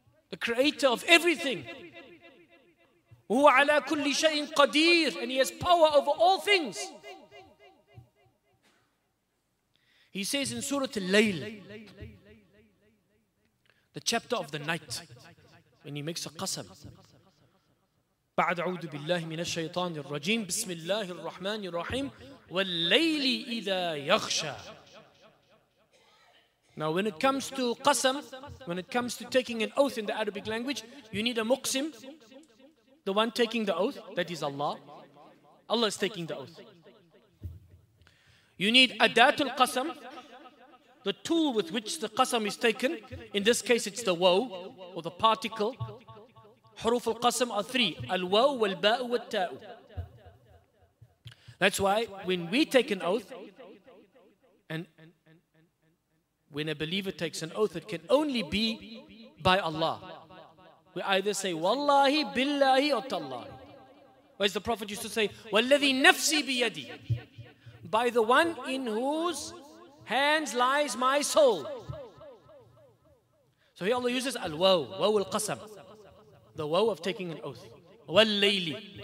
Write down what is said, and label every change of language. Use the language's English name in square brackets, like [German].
[English] The creator of everything. Huwa ala kulli shay'in qadir. And He has power over all things. He says in Surah Al-Layl, the chapter of the night, when He makes a qasam. [Arabic] بعد أعوذ بالله من الشيطان الرجيم بسم الله الرحمن الرحيم والليل إذا يغشى. [English] Now when it comes to qasam, when it comes to taking an oath in the Arabic language, you need a muqsim, the one taking the oath, that is Allah. Allah is taking the oath. You need adatul qasam, the tool with which the qasam is taken. In this case, it's the waw or the particle. حروف القسم are three. [Arabic] الواو والباء والتاء. [English] That's why when we take an oath, and when a believer takes an oath, it can only be by Allah. We either say والله بالله أو تالله. Whereas the Prophet used to say والذي نفسي بيدي, by the one in whose hands lies my soul. So here Allah uses الواو, واو القسم. The woe of taking an oath. Wal-layli.